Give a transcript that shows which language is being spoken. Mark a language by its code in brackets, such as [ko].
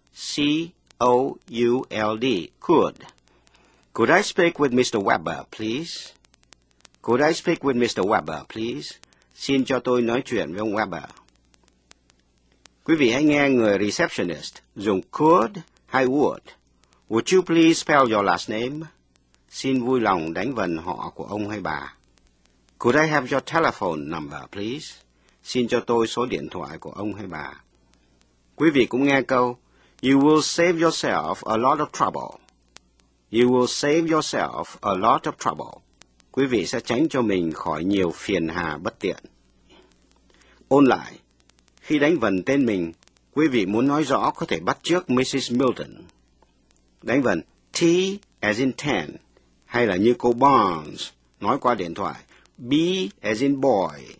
[en] C-O-U-L-D, could. Could I speak with Mr. Weber, please? Could I speak with Mr. Weber, please? [vi] Xin cho tôi nói chuyện với ông Weber. Quý vị hãy nghe người receptionist dùng could hay would. [en] Would you please spell your last name? [vi] Xin vui lòng đánh vần họ của ông hay bà. [en] Could I have your telephone number, please? [vi] Xin cho tôi số điện thoại của ông hay bà. Quý vị cũng nghe câu, [en] you will save yourself a lot of trouble. You will save yourself a lot of trouble. [vi] Quý vị sẽ tránh cho mình khỏi nhiều phiền hà bất tiện. Ôn lại, Khi đánh vần tên mình, quý vị muốn nói rõ có thể bắt chước Mrs. Milton. Đánh vần [en] T as in 10, [vi] hay là như cô Barnes nói qua điện thoại, [en] B as in boy.